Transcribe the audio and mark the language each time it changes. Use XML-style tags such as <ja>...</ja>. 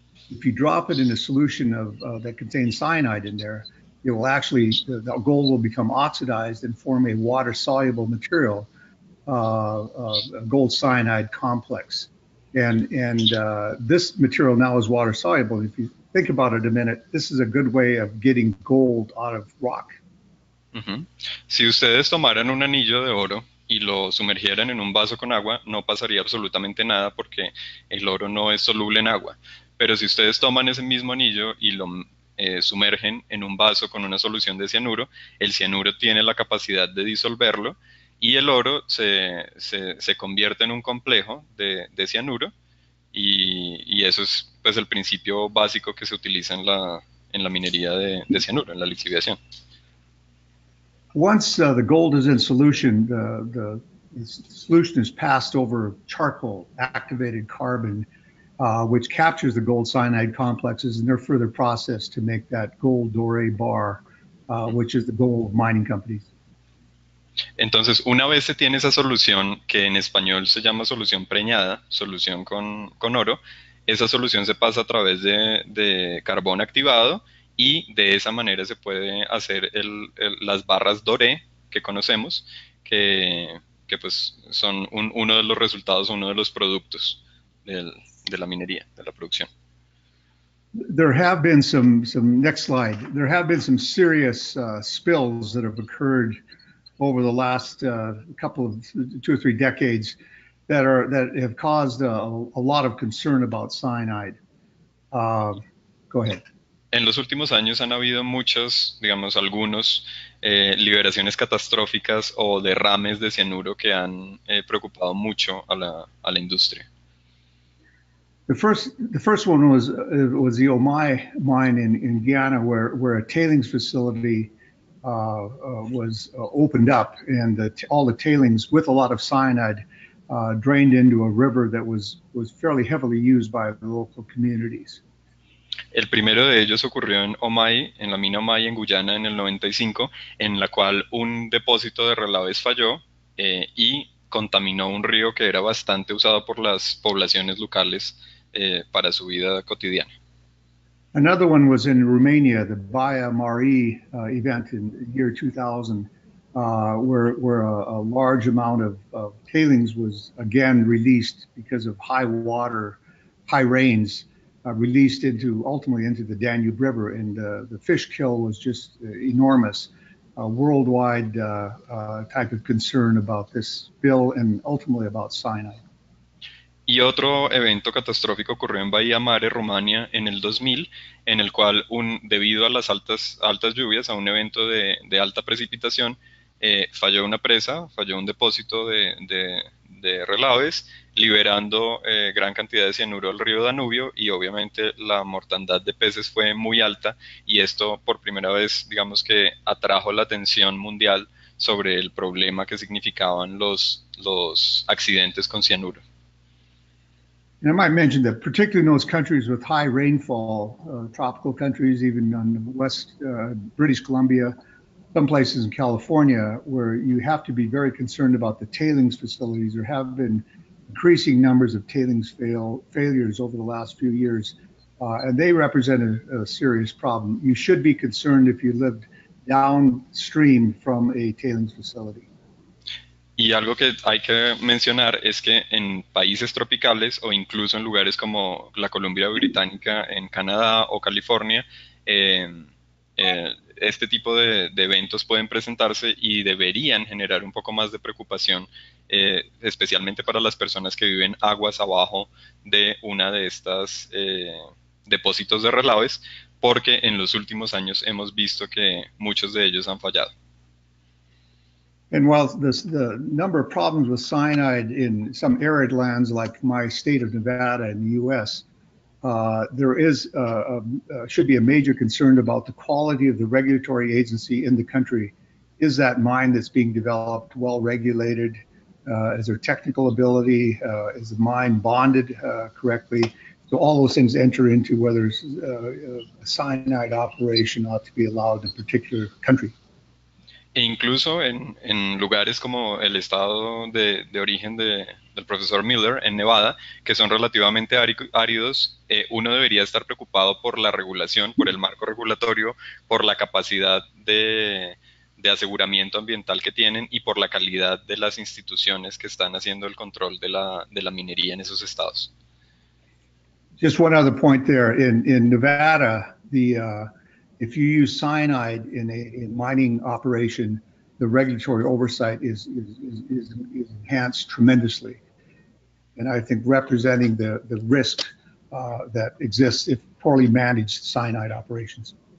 <en>If you drop it in a solution of that contains cyanide in there, it will actually, the gold will become oxidized and form a water-soluble material, a gold cyanide complex. And this material now is water-soluble. If you think about it a minute, this is a good way of getting gold out of rock. Mm-hmm.</en> <es>Si ustedes tomaran un anillo de oro y lo sumergieran en un vaso con agua, no pasaría absolutamente nada porque el oro no es soluble en agua. Pero si ustedes toman ese mismo anillo y lo sumergen en un vaso con una solución de cianuro, el cianuro tiene la capacidad de disolverlo, y el oro se convierte en un complejo de cianuro, y eso es pues el principio básico que se utiliza en la minería de cianuro, en la lixiviación.</es> <en>Once the gold is in solution, the solution is passed over charcoal, activated carbon, which captures the gold cyanide complexes, and they're further processed to make that gold doré bar, which is the goal of mining companies.</en> <es>Entonces, una vez se tiene esa solución, que en español se llama solución preñada, solución con oro, esa solución se pasa a través de carbón activado y de esa manera se puede hacer las barras doré que conocemos, que pues son uno de los resultados, uno de los productos de la minería, de la producción.</es> <en>There have been some next slide. There have been some serious spills that have occurred over the last two or three decades that have caused a lot of concern about cyanide. Go ahead.</en> <es>En los últimos años han habido muchos, digamos, algunos liberaciones catastróficas o derrames de cianuro que han preocupado mucho a la industria.</es> <en>The first one was the Omai mine in Guyana, where a tailings facility was opened up, and all the tailings with a lot of cyanide drained into a river that was fairly heavily used by the local communities.</en> <es>El primero de ellos ocurrió en Omai, en la mina Omai en Guyana en el 95, en la cual un depósito de relaves falló y contaminó un río que era bastante usado por las poblaciones locales para su vida cotidiana.</es> <en>Another one was in Romania, the Baia Mare event in the year 2000, where a large amount of tailings was again released because of high water, high rains, released ultimately into the Danube River, and the fish kill was just enormous, a worldwide type of concern about this spill and ultimately about cyanide.</en> <es>Y otro evento catastrófico ocurrió en Bahía Mare, Rumania, en el 2000, en el cual, debido a las altas lluvias, a un evento de alta precipitación, falló una presa, falló un depósito de relaves, liberando gran cantidad de cianuro al río Danubio, y obviamente la mortandad de peces fue muy alta, y esto por primera vez, digamos que atrajo la atención mundial sobre el problema que significaban los accidentes con cianuro.</es> <en>And I might mention that particularly in those countries with high rainfall, tropical countries, even on West British Columbia, some places in California, where you have to be very concerned about the tailings facilities, there have been increasing numbers of tailings failures over the last few years, and they represent a serious problem. You should be concerned if you lived downstream from a tailings facility.</en> <es>Y algo que hay que mencionar es que en países tropicales o incluso en lugares como la Columbia Británica, en Canadá o California, este tipo de eventos pueden presentarse y deberían generar un poco más de preocupación, especialmente para las personas que viven aguas abajo de una de estas depósitos de relaves, porque en los últimos años hemos visto que muchos de ellos han fallado.</es> <en>And while the number of problems with cyanide in some arid lands like my state of Nevada in the U.S., there is should be a major concern about the quality of the regulatory agency in the country. Is that mine that's being developed well regulated? Is there technical ability? Is the mine bonded correctly? So all those things enter into whether a cyanide operation ought to be allowed in a particular country.</en> <es>E incluso en lugares como el estado de origen del profesor Miller en Nevada, que son relativamente áridos, uno debería estar preocupado por la regulación, por el marco regulatorio, por la capacidad de aseguramiento ambiental que tienen y por la calidad de las instituciones que están haciendo el control de la minería en esos estados.</es> <en>Just one other point there. In Nevada, if you use cyanide in a mining operation, the regulatory oversight is enhanced tremendously. And I think representing the risk that exists if poorly managed cyanide operations.</en>